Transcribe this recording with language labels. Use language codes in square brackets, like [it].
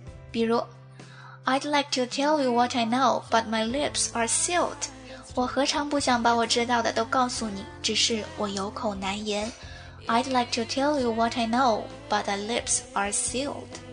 [en] 比如 I'd like to tell you what I know, but my lips are sealed. [zh] 我何尝不想把我知道的都告诉你，只是我有口难言。 [en] I'd like to tell you what I know, but the lips are sealed.